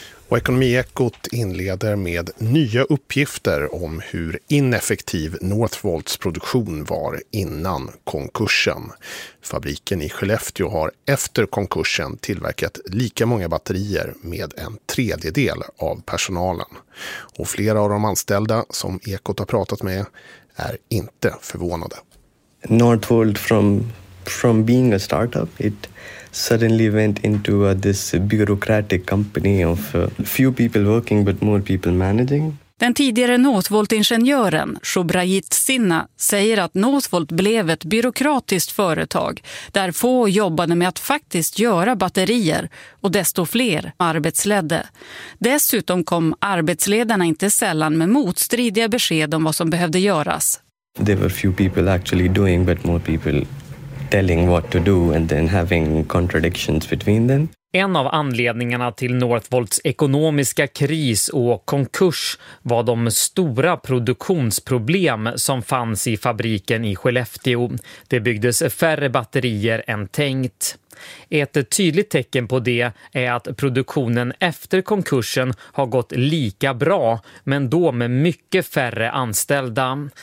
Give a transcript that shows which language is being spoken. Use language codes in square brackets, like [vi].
[sv] Och Ekonomiekot inleder med nya uppgifter om hur ineffektiv Northvolts produktion var innan konkursen. Fabriken i Skellefteå har efter konkursen tillverkat lika många batterier med en tredjedel av personalen. Och flera av de anställda som Ekot har pratat med är inte förvånade. [en] Northvolt from being a startup, it suddenly went into this bureaucratic company of few people working but more people managing. [sv] Den tidigare Northvolt-ingenjören Shubhrajit Sinha säger att Northvolt blev ett byråkratiskt företag där få jobbade med att faktiskt göra batterier och desto fler arbetsledde. Dessutom kom arbetsledarna inte sällan med motstridiga besked om vad som behövde göras. [en] There were few people actually doing, but more people telling what to do and then having contradictions between them. [sv] En av anledningarna till Northvolts ekonomiska kris och konkurs var de stora produktionsproblem som fanns i fabriken i Skellefteå. Det byggdes färre batterier än tänkt. Ett tydligt tecken på det är att produktionen efter konkursen har gått lika bra, men då med mycket färre anställda.